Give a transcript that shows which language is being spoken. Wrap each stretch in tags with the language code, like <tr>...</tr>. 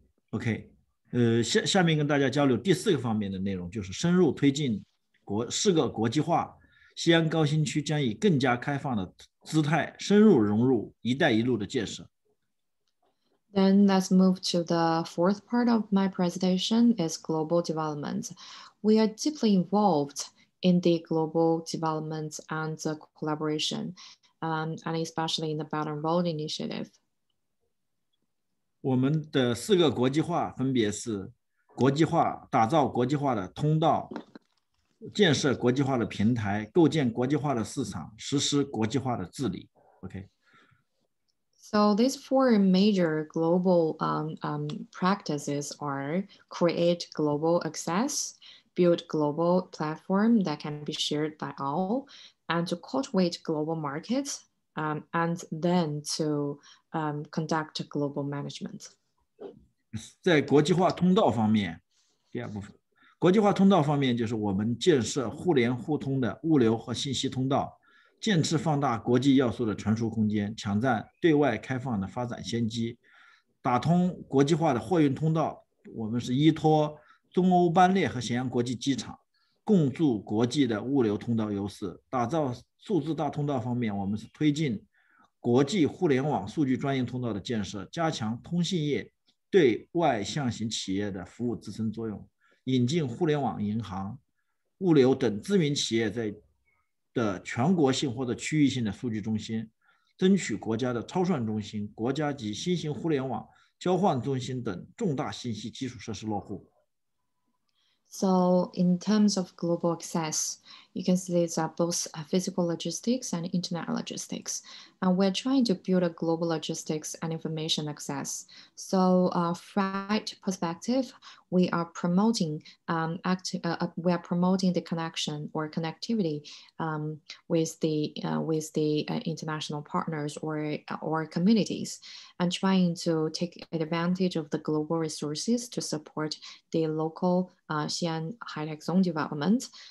<zh>OK， 下面跟大家交流第四个方面的内容，就是深入推进4个国际化。西安高新区将以更加开放的姿态深入融入一带一路的建设。</zh> <en>Then let's move to the fourth part of my presentation is global development. We are deeply involved in the global development and the collaboration, and especially in the Belt and Road Initiative.</en> <zh>我们的四个国际化分别是国际化，打造国际化的通道，建设国际化的平台，构建国际化的市场，实施国际化的治理。</zh> <en>OK。 So these four major global practices are create global access, build global platform that can be shared by all, and to cultivate global markets,and then to conduct global management.</en> <zh>在国际化通道方面，第二部分，国际化通道方面就是我们建设互联互通的物流和信息通道，渐次放大国际要素的传输空间，抢占对外开放的发展先机，打通国际化的货运通道。我们是依托中欧班列和咸阳国际机场，共筑国际的物流通道优势，打造数字大通道方面，我们是推进国际互联网数据专用通道的建设，加强通信业对外向型企业的服务支撑作用，引进互联网银行、物流等知名企业在的全国性或者区域性的数据中心，争取国家的超算中心、国家级新型互联网交换中心等重大信息基础设施落户。</zh> <en>So in terms of global access, you can see it's both physical logistics and internet logistics. And we're trying to build a global logistics and information access. So freight perspective, we are promoting the connection or connectivity with the international partners or communities, and trying to take advantage of the global resources to support the local Xi'an high-tech zone development.</en>